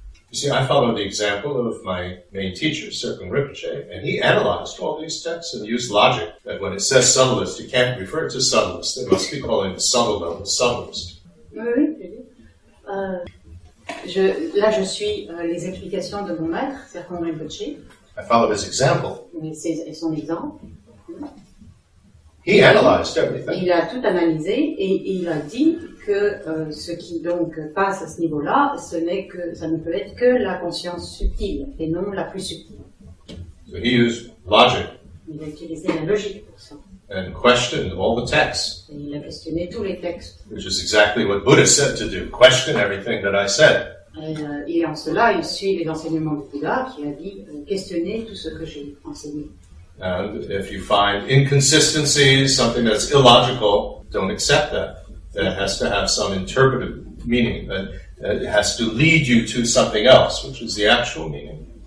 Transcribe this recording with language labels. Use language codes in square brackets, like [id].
[en] You see, I followed the example of my main teacher, Circumrinpoche, and he analyzed all these texts and used logic that when it says subtlest, you can't refer to subtlest. They must be calling the subtle level subtlest. [fr] Je suis les explications de mon maître, Circumrinpoche. [en] I followed his example. [fr] C'est son exemple. [en] He analyzed everything. [fr] Il a tout analysé et il a dit que ce qui donc passe à ce niveau-là, ça ne peut être que la conscience subtile et non la plus subtile. [en] So he used logic. [fr] Il a utilisé la logique pour ça. [en] And questioned all the texts. [fr] Et il a questionné tous les textes. [en] Which is exactly what Buddha said to do, question everything that I said. [fr] Et en cela, il suit les enseignements de Bouddha qui a dit questionner tout ce que j'ai enseigné. [en] And if you find inconsistencies, something that's illogical, don't accept that. That it has to have some interpretive meaning. That it has to lead you to something else, which is the actual meaning.